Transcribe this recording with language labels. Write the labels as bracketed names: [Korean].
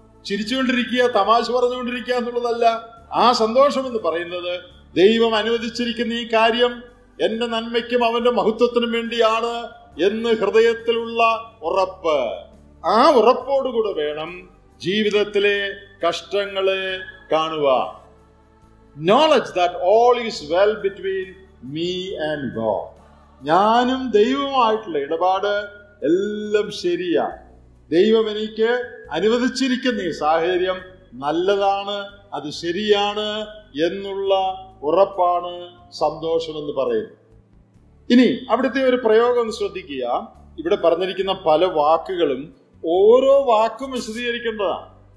[Malayalam] ചിരിച്ചുകൊണ്ടിരിക്കുക, തമാശ പറഞ്ഞുകൊണ്ടിരിക്കുക എന്നുള്ളതല്ല. ആ സന്തോഷം എന്ന് പറയുന്നത് ദൈവം അനുവദിച്ചിരിക്കുന്ന ഈ കാര്യം എന്റെ നന്മയ്ക്കും അവന്റെ മഹത്വത്തിനും വേണ്ടിയാണ് എന്ന് ഹൃദയത്തിലുള്ള ഉറപ്പ്. ആ ഉറപ്പോടുകൂടെ വേണം ജീവിതത്തിലെ കഷ്ടങ്ങളെ കാണുക. [English] Knowledge that all is well between me and God. [Malayalam] ഞാനും ദൈവവുമായിട്ടുള്ള ഇടപാട് എല്ലാം ശരിയാ. ദൈവം എനിക്ക് അനുവദിച്ചിരിക്കുന്ന ഈ സാഹചര്യം നല്ലതാണ്, അത് ശരിയാണ് എന്നുള്ള ഉറപ്പാണ് സന്തോഷമെന്ന് പറയുന്നത്. ഇനി അവിടുത്തെ ഒരു പ്രയോഗം ഒന്ന് ശ്രദ്ധിക്കുക. ഇവിടെ പറഞ്ഞിരിക്കുന്ന പല വാക്കുകളും ഓരോ വാക്കും വിശദീകരിക്കേണ്ടതാണ്.